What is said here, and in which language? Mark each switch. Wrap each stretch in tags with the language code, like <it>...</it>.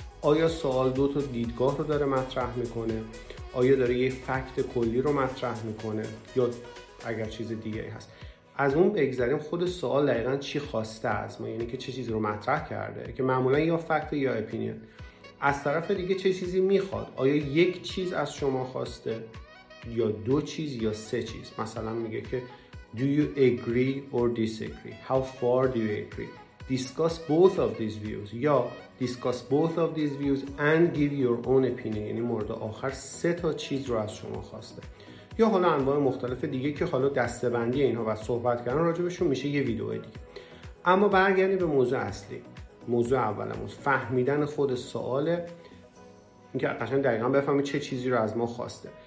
<fa>آیا سوال دو تا دیدگاه رو داره مطرح میکنه؟ آیا داره یه فکت کلی رو مطرح میکنه یا اگر چیز دیگه ای هست؟ از اون بگذاریم، خود سوال دقیقاً چی خواسته از ما، یعنی که چه چیزی رو مطرح کرده که معمولاً یا فکت یا اپینین. از طرف دیگه چه چیزی میخواد؟ آیا یک چیز از شما خواسته یا دو چیز یا سه چیز؟ مثلا میگه که</fa> <en>Do you agree or disagree? How far do you agree? Discuss both of these views.</en> <fa>یا</fa> <en>Discuss both of these views and give your own opinion.</en> <fa>یعنی مورد آخر سه تا چیز رو از شما خواسته. یا حالا انواع مختلف دیگه که حالا دستبندی اینها و صحبت کردن راجبشون میشه یه ویدیو دیگه. اما برگردیم به موضوع اصلی. موضوع اولمون فهمیدن خود سواله، اینکه قشنگ دقیقاً بفهمید چه چیزی رو از ما خواسته.</fa>